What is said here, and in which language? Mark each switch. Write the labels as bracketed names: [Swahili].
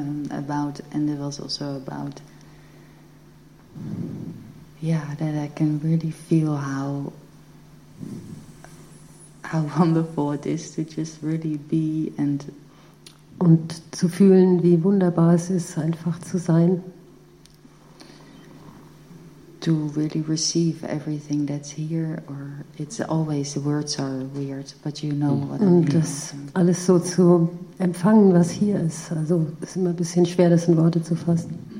[English] About, and it was also about, that I can really feel how wonderful it is to just really be and [German] zu fühlen, wie wunderbar es ist, einfach zu sein. [English] To really receive everything that's here, or it's always the words are weird, but you know what I mean. [German] Das alles so zu empfangen, was hier ist. Also ist immer ein bisschen schwer, das in Worte zu fassen.